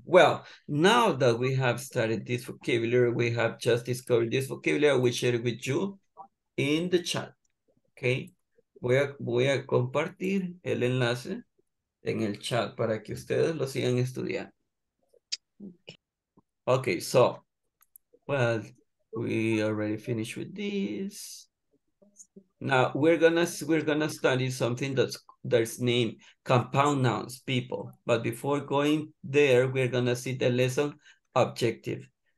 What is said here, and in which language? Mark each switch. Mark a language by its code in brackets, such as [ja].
[en] Well, now that we have started this vocabulary, we have just discovered this vocabulary, we share it with you in the chat. Okay. [es] Voy a compartir el enlace en el chat para que ustedes lo sigan estudiando. [en] Okay, so, well, we already finished with this. Now we're gonna study something that's named compound nouns, people. But before going there, we're gonna see the lesson objective.